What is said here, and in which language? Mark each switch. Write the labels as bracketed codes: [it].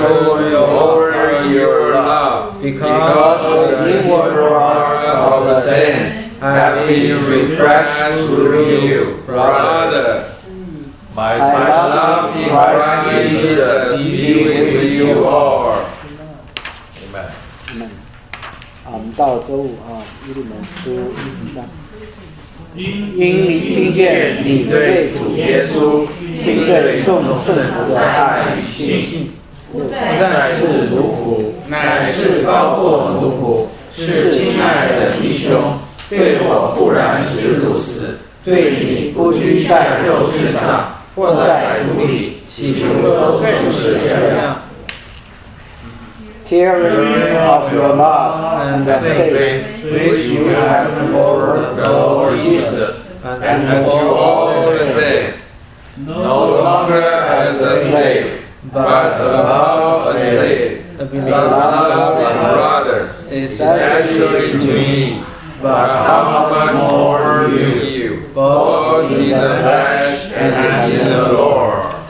[en] over your love, because the inward hearts of the saints have been refreshed through you, brother. My love in Christ Jesus be with you all. [zh] 我们到周五啊，腓利门书一章。因听见你对主耶稣并对众圣徒的爱与信心，不再是奴仆，乃是高过奴仆，是亲爱的弟兄。对我固然是如此，对你不拘在肉身上，或在主里，岂不都如此这样？ [en] Hearing of your love and the faith which you have over the Lord Jesus and over all the saints, no longer as a slave, but above a slave, the love of my brother, especially to me, but how much more you, both in the flesh and in the Lord.